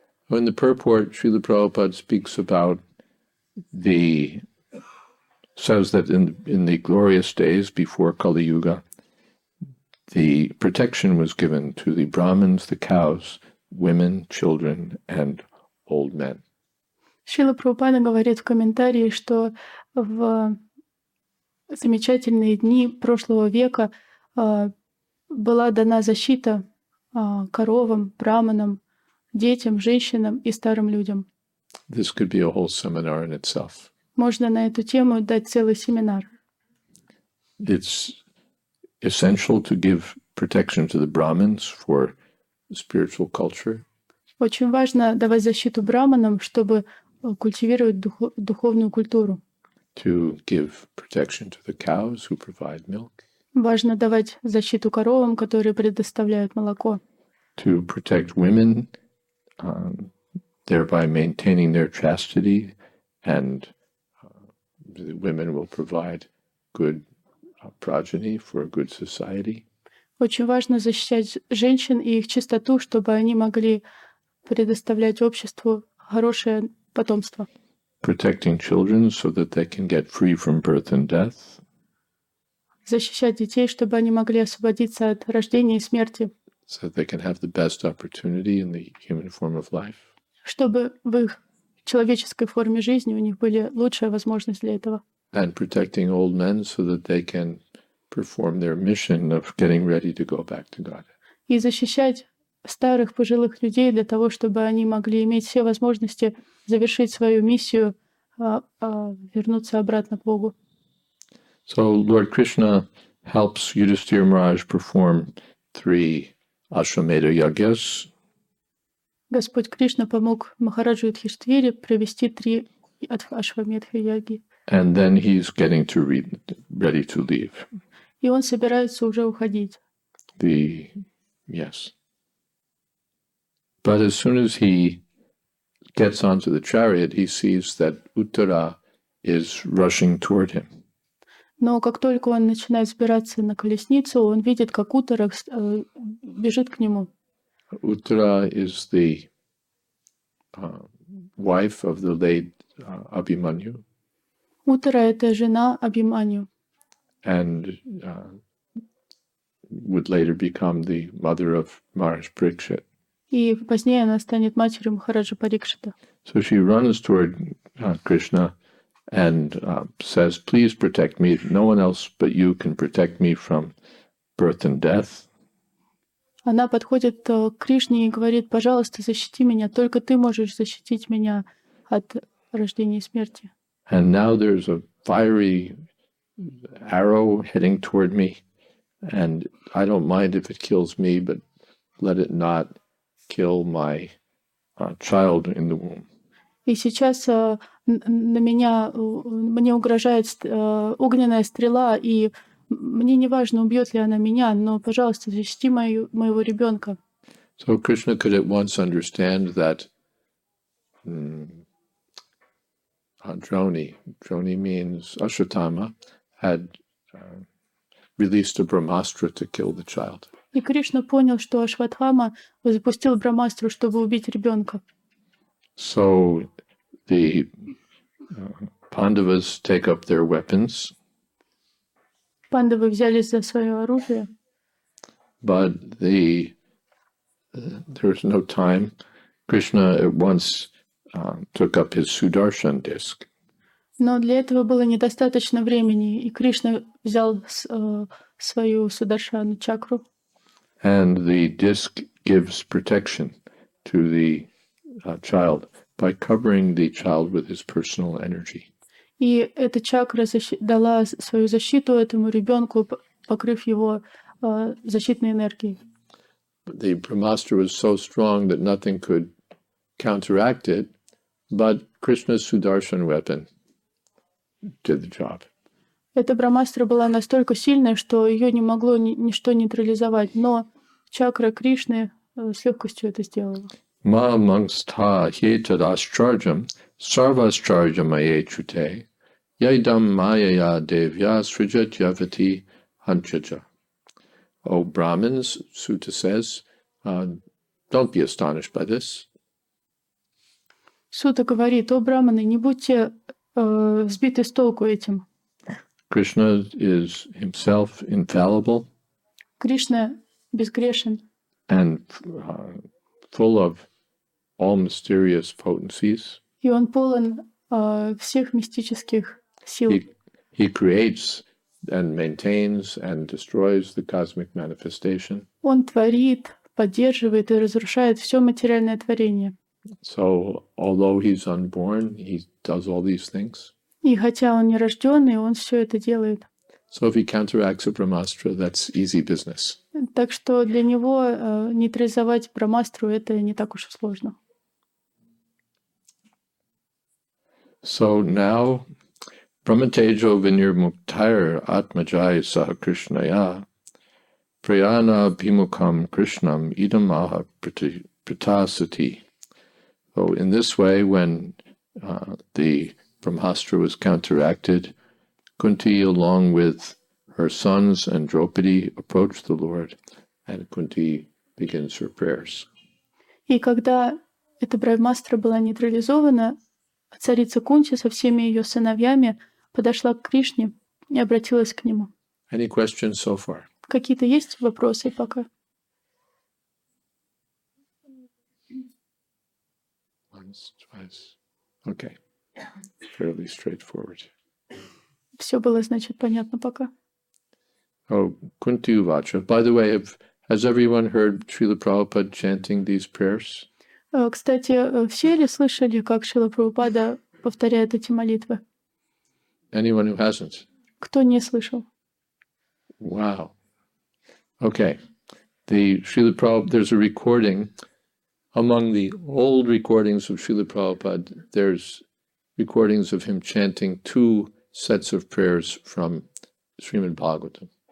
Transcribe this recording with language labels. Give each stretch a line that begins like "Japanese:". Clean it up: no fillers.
English: In the purport, Srila Prabhupada speaks about the, says that in the glorious days before Kali Yuga, the protection was given to the Brahmins, the cows, women, children, and old men.
Russian: Srila Prabhupada говорит в комментарии, что в замечательные дни прошлого века была дана защита коровам, браманам, детям, женщинам и старым людям.
English: This could be a whole seminar in itself.
Russian: Можно на эту тему дать целый семинар.
English: It's essential to give protection to the Brahmins for spiritual culture.
Russian: Очень важно давать защиту браманам, чтобы культивировать духовную культуру.
English: To give protection to the cows who provide milk.
Russian: Важно давать защиту коровам, которые предоставляют молоко.
English: To protect women, thereby maintaining their chastity, and the women will provide good progeny for a good society.
Russian: Очень важно защищать женщин и их чистоту, чтобы они могли предоставлять обществу хорошее потомство.
English: Protecting children so that they can get free from birth and death.
Russian: Защищать детей, чтобы они могли освободиться от рождения и смерти.
English: So that they can have the best opportunity in the human form of life.
Russian: Чтобы в их человеческой форме жизни у них были лучшая возможность для этого.
English: And protecting old men so that they can perform their mission of getting ready to go back to God.
Russian: И защищать старых пожилых людей для того, чтобы они могли иметь все возможности завершить свою миссию, вернуться обратно к Богу.
English: So Lord Krishna helps Yudhisthira Maharaj perform three Ашвамедха Ягьяс.
Russian: Господь Кришна помог Махараджу Юдхиштхире провести три Ашвамедха Яги.
English: And then he's getting to ready to leave.
Russian: И он собирается уже уходить.
English: The, yes. But as soon as he gets onto the chariot, he sees that Uttara is rushing toward him.
Russian: Но как только он начинает взбираться на колесницу, он видит, как Уттара бежит к нему.
English: Uttara is the wife of the late Abhimanyu.
Russian: Uttara – это жена Абхиманью.
English: And would later become the mother of Maharaj Parikshit.
Russian: И позднее она станет матерью Махараджа Парикшита.
English: So she runs toward Krishna and says, please protect me. No one else but you can protect me from birth and death.
Russian: Она подходит к Кришне и говорит, пожалуйста, защити меня. Только ты можешь защитить меня от рождения и смерти.
English: And now there's a fiery arrow heading toward me. And I don't mind if it kills me, but let it not kill my child in the womb.
Russian: И сейчас на меня, мне угрожает огненная стрела, и мне не важно, убьет ли она меня, но, пожалуйста, защити моего ребенка.
English: So Krishna could at once understand that Droni means Ashwatthama, had released a Brahmastra to kill the child.
Russian: И Кришна понял, что Ашватхама запустил Брахмастру, чтобы убить ребенка.
English: So the Pandavas take up their weapons.
Russian: Пандавы взялись за свое оружие.
English: But the there's no time. Krishna at once took up his Sudarshan disc.
Russian: Но для этого было недостаточно времени, и Кришна взял свою Сударшану чакру.
English: And the disc gives protection to the child by covering the child with his personal energy.
Russian: И эта чакра дала свою защиту этому ребенку, покрыв его защитной энергией.
English: The Brahmastra was so strong that nothing could counteract it, but Krishna's Sudarshan weapon did the job.
Russian: Эта Брахмастра была настолько сильной, что ее не могло ничто нейтрализовать, но чакра Кришны с легкостью это сделала.
Sanskrit: Ma mangstha hetad ashcharjam sarvashcharjam ayechute yaidam mayaya devya srijat yavati hanchaja.
English: O Brahmins, Sutta says, don't be astonished by this.
Russian: Sutta говорит, о Брахманы, не будьте сбиты с толку этим.
English: Krishna is himself infallible.
Russian: Krishna безгрешен.
English: And full of all mysterious potencies.
Russian: И он полон всех мистических сил.
English: He creates and maintains and destroys the cosmic manifestation.
Russian: Он творит, поддерживает и разрушает все материальное творение.
English: So, although he's unborn, he does all these things.
Russian: И хотя он не рожденный, он все это делает.
English: So if he counteracts a Brahmastra, that's easy business.
Russian: Так что для него нейтрализовать Брахмастру это не так уж и сложно.
English: So now,
Sanskrit: Brahmatejo Vinirmuktair Atmajai Sahakrishnaya Prayana Bhimukam Krishnam Idam Aha Pratasati.
English: So in this way, when the Brahmastra was counteracted, Kunti, along with her sons and Draupadi, approached the Lord, and Kunti begins her prayers.
Russian: И когда эта Брахмастра была нейтрализована, царица Кунти со всеми ее сыновьями подошла к Кришне и обратилась к нему.
English: Any questions so far?
Russian: Какие-то есть вопросы пока?
English: Once, twice. Okay. Fairly straightforward.
Russian: Все было, значит, понятно пока.
English: Oh, Kunti Uvacha. By the way, has everyone heard Srila Prabhupada chanting these prayers?
Russian: Кстати, все ли слышали, как Шрила Прабхупада повторяет эти молитвы?
English: Anyone who hasn't?
Russian: Кто не слышал?
English: Wow. Okay. The Srila Prabhupada, there's a recording. Among the old recordings of Srila Prabhupada, there's recordings of him chanting two sets of prayers from Srimad Bhagavatam.